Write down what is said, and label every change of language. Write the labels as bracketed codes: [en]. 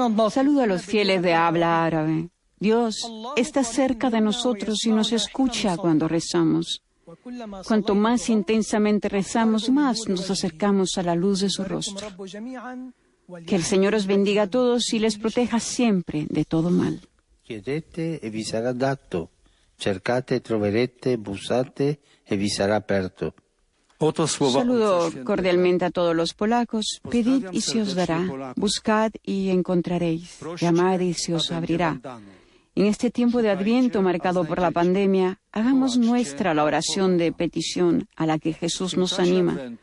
[es] Saludo a los fieles de habla árabe. Dios está cerca de nosotros y nos escucha cuando rezamos. Cuanto más intensamente rezamos, más nos acercamos a la luz de su rostro. Que el Señor os bendiga a todos y les proteja siempre de todo mal. [it] Chiedete e vi sarà dato. Cercate e troverete, bussate e vi sarà aperto. [es] Saludo cordialmente a todos los polacos. Pedid y se os dará. Buscad y encontraréis. Llamad y se os abrirá. En este tiempo de Adviento marcado por la pandemia, hagamos nuestra la oración de petición a la que Jesús nos anima.